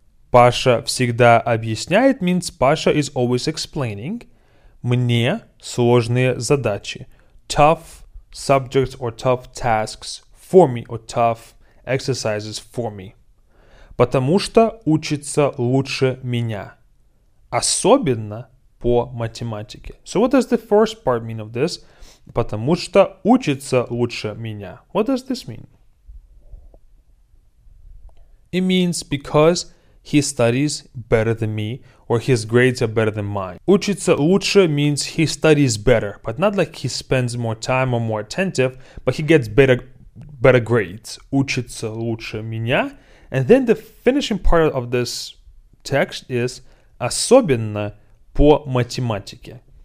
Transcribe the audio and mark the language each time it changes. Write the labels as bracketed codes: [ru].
[ru] Паша всегда объясняет means Паша [en] is always explaining [ru] мне сложные задачи. [en] Tough subjects or tough tasks for me or tough exercises for me. [ru] Потому что учится лучше меня. Особенно по математике. [en] So what does the first part mean of this? [ru] Потому что учится лучше меня. [en] What does this mean? It means because he studies better than me or his grades are better than mine. [ru] Учится лучше [en] means he studies better, but not like he spends more time or more attentive, but he gets better grades. [ru] Учится лучше меня. [en] And then the finishing part of this text is [ru] особенно по математике.